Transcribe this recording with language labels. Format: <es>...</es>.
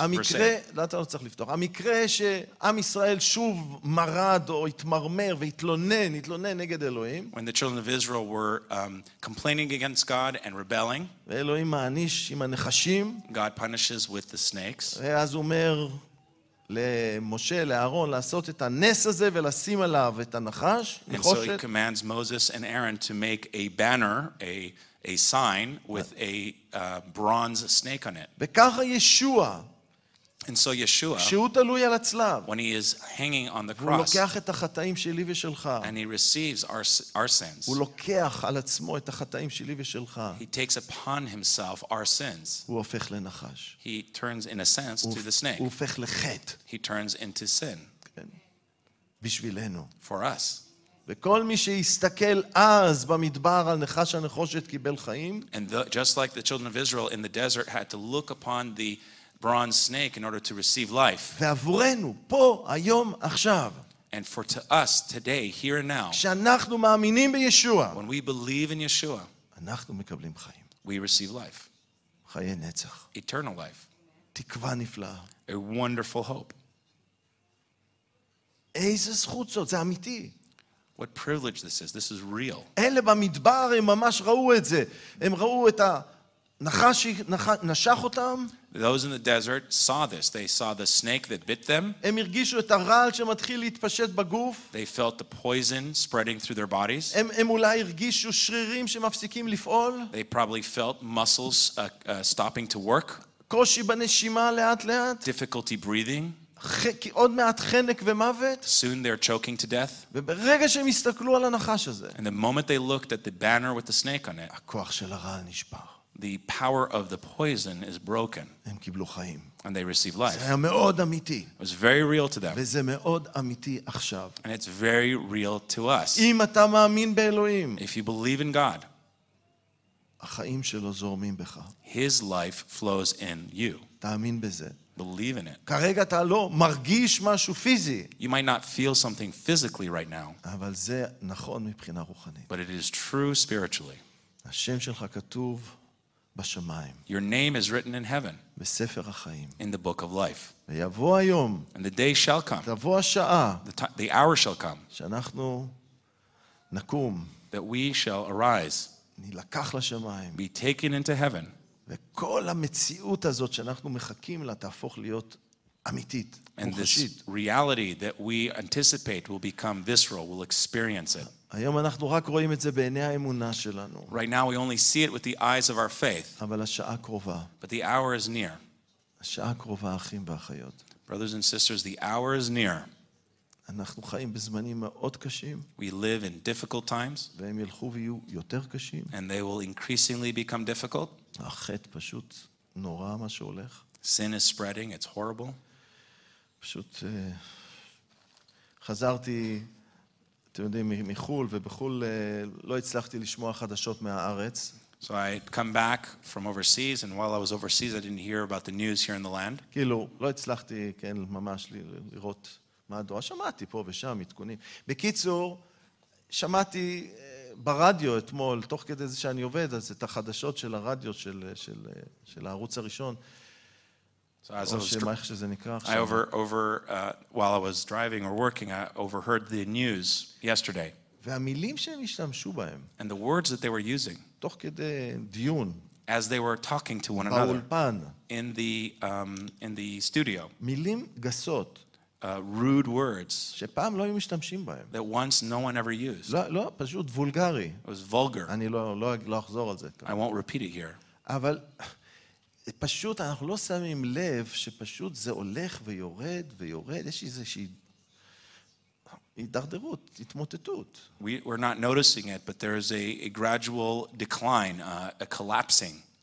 <he>המקרה, לא אתה לא צריך לפתוח. המקרה שעם ישראל שוב מרד או התמרמר והתלונן נגד אלוהים.</he> <en>When the children of Israel were complaining against God and rebelling.</en> <he>ואלוהים מעניש עם הנחשים.</he> <en>God punishes with the snakes.</en> <he>ואז אומר למשה לאהרון לעשות את הנס הזה ולשים עליו את הנחש נחושת.</he> <en>And so he commands Moses and Aaron to make a banner, a sign with a bronze snake on it.</en> <he>וככה ישוע.</he> <en>And so Yeshua.</en> <he>שהוא תלוי על הצלב.</he> <en>When he is hanging on the cross.</en> <he>הוא לוקח את החטאים שלי ושלך.</he> <en>And he receives our sins.</en> <he>הוא לוקח על עצמו את החטאים שלי ושלך.</he> <en>He takes upon himself our sins.</en> <he>הוא הופך לנחש.</he> <en>He turns in a sense to the snake.</en> <he>הוא הופך לחטא.</he> <en>He turns into sin.</en> <he>בשבילנו.</he> <en>For us.</en> <he>וכל מי שיסתכל אז במדבר על נחש הנחושת קיבל חיים.</he> <en>And the, just like the children of Israel in the desert had to look upon the bronze snake in order to receive life.</en> <he>ועבורנו, פה, היום, עכשיו.</he> <en>And for to us today, here and now,</en> <he>כשאנחנו מאמינים בישוע,</he> <en>when we believe in Yeshua,</en> <he>אנחנו מקבלים חיים.</he> <en>We receive life.</en> <he>חיי נצח.</he> <en>Eternal life.</en> <he>תקווה נפלאה.</he> <en>A wonderful hope.</en> <he>איזה זכות זאת, זה אמיתי.</he> <en>What privilege this is. This is real.</en> <he>אלה במדבר הם ממש ראו את זה. הם ראו את הנחש נשך אותם.</he> <en>Those in the desert saw this. They saw the snake that bit them.</en> <he>הם הרגישו את הרעל שמתחיל להתפשט בגוף.</he> <en>They felt the poison spreading through their bodies.</en> <he>הם אולי הרגישו שרירים שמפסיקים לפעול.</he> <en>They probably felt muscles stopping to work.</en> <he>קושי בנשימה לאט לאט.</he> <en>Difficulty breathing.</en> <he>עוד מעט חנק ומוות.</he> <en>Soon they're choking to death.</en> <he>וברגע שהם הסתכלו על הנחש הזה.</he> <en>And the moment they looked at the banner with the snake on it.</en> <he>הכוח של הרעל נשבר.</he> <en>The power of the poison is broken.</en> <he>הם קיבלו חיים.</he> <en>And they receive life.</en> <he>זה היה מאוד אמיתי.</he> <en>It was very real to them.</en> <he>וזה מאוד אמיתי עכשיו.</he> <en>And it's very real to us.</en> <he>אם אתה מאמין באלוהים.</he> <en>If you believe in God.</en> <he>החיים שלו זורמים בך.</he> <en>His life flows in you.</en> <he>תאמין בזה.</he> <en>Believe in it.</en> <he>כרגע אתה לא מרגיש משהו פיזי.</he> <en>You might not feel something physically right now.</en> <he>אבל זה נכון מבחינה רוחנית.</he> <en>But it is true spiritually.</en> <he>השם שלך כתוב בשמיים.</he> <en>Your name is written in heaven.</en> <he>בספר החיים.</he> <en>In the book of life.</en> <he>ויבוא היום.</he> <en>And the day shall come.</en> <he>תבוא השעה.</he> <en>The hour shall come.</en> <he>שאנחנו נקום.</he> <en>That we shall arise.</en> <he>נלקח לשמיים.</he> <en>Be taken into heaven.</en> <he>וכל המציאות הזאת שאנחנו מחכים לה תהפוך להיות אמיתית,</he> <en>and</en> <he>מוחשית.</he> <en>And this reality that we anticipate will become visceral, will experience it.</en> <he>היום אנחנו רק רואים את זה בעיני האמונה שלנו.</he> <en>Right now we only see it with the eyes of our faith.</en> <he>אבל השעה קרובה.</he> <en>But the hour is near.</en> <he>השעה קרובה, אחים ואחיות.</he> <en>Brothers and sisters, the hour is near.</en> <he>אנחנו חיים בזמנים מאוד קשים.</he> <en>We live in difficult times.</en> <he>והם ילכו ויהיו יותר קשים.</he> <en>And they will increasingly become difficult.</en> <he>החטא פשוט נורא מה שהולך.</he> <en>Sin is spreading, it's horrible.</en> <he>פשוט חזרתי, אתם יודעים, מחול, ובחול לא הצלחתי לשמוע חדשות מהארץ.</he> <en>So I had come back from overseas, and while I was overseas, I didn't hear about the news here in the land.</en> <he>כאילו, לא הצלחתי, כן, ממש לראות מה הדואר. שמעתי פה ושם, עדכונים. בקיצור, שמעתי ברדיו אתמול, תוך כדי זה שאני עובד, אז את החדשות של הרדיו של, של, של הערוץ הראשון.</he> <en>So as</en> <he>או שמה איך שזה נקרא עכשיו.</he> <en>I over while I was driving or working, I overheard the news yesterday.</en> <he>והמילים שהם השתמשו בהם.</he> <en>And the words that they were using.</en> <he>תוך כדי דיון.</he> <en>As they were talking to one</en> <he>באולפן.</he> <en>Another.</en> <he>באולפן.</he> <en>In the studio.</en> <he>מילים גסות.</he> <en>Rude words</en> <he>שפעם לא היו משתמשים בהם.</he> <en>That once no one ever used.</en> <he>לא, פשוט וולגרי.</he> <en>It was vulgar.</en> <he>אני לא אחזור על זה.</he> <en>I won't repeat it here.</en> <he>אבל פשוט אנחנו לא שמים לב שפשוט זה הולך ויורד ויורד. יש איזושהי הידרדרות, התמוטטות.</he> <en>We're not noticing it, but there is a gradual decline, a collapsing.</en>